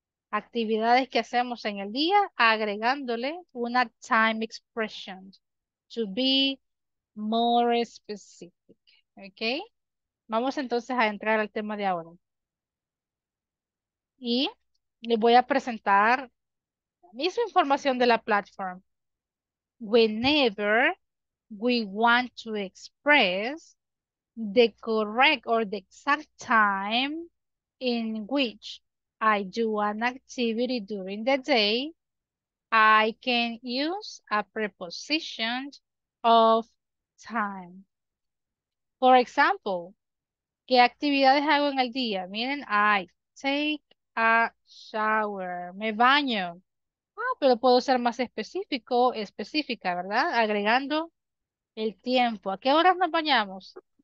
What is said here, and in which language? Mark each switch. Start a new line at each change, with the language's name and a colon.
Spanish: Actividades que hacemos en el día agregándole una
English: time expression to be more specific.
Spanish: ¿Ok? Vamos entonces a entrar al tema de ahora. Y les voy a presentar la misma información de la plataforma.
English: Whenever we want to express the correct or the exact time in which I do an activity during the day, I can use a preposition of time. For example,
Spanish: ¿qué actividades hago en el día? Miren,
English: I take a shower,
Spanish: me baño. Ah, pero puedo ser más específico, específica, ¿verdad? Agregando el tiempo. ¿A qué horas nos bañamos?